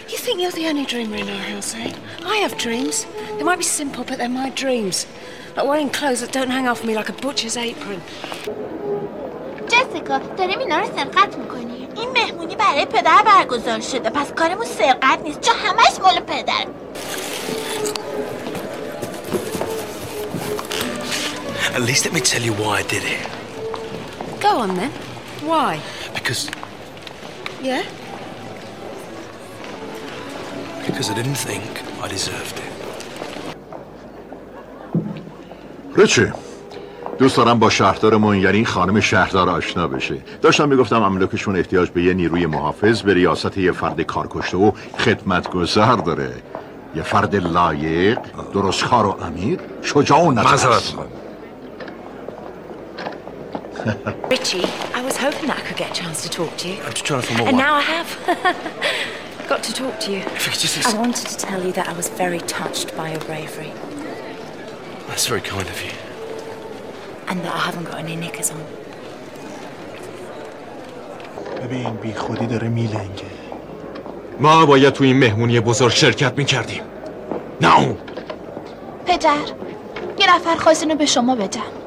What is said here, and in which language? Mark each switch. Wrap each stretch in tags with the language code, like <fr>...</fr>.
<en>You think you're the only dreamer in our house, eh? I have dreams. They might be simple, but they're my dreams. Like wearing clothes that don't hang off me like a butcher's apron.</en> <fa>جسیکا، داریم اینا رو سرقت میکنیم. این مهمونی برای پدر برگزار شده، پس کارمون سرقت نیست، چون همش مال پدر.</fa> <en>At least let me tell you why I did it. Go on then. Why? Because... Yeah? Because I didn't think I deserved it. Richie.</en> <fa>دوست دارم با شهردارمون یعنی خانم شهردار آشنا بشه. داشتم میگفتم املاکشون احتیاج به یه نیروی محافظ به ریاست یه فرد کارکشته و خدمتگزار داره. یه فرد لایق، درستکار و عمیق، شجاع و نفس. معذرت می‌خوام.</fa> <en>Richie, I was hoping that I could get a chance to talk to you. I'm just trying for more. And now I have. Got to talk to you. I wanted to tell you that I was very touched by your bravery. That's very kind of you. And that I haven't got any knickers on.</en> <fa>ببین بی خودی داره میلنگه. ما باید تو این مهمونی بزرگ شرکت میکردیم. نه اون. پدر، یه نفر خواست اینو به شما بدم.</fa>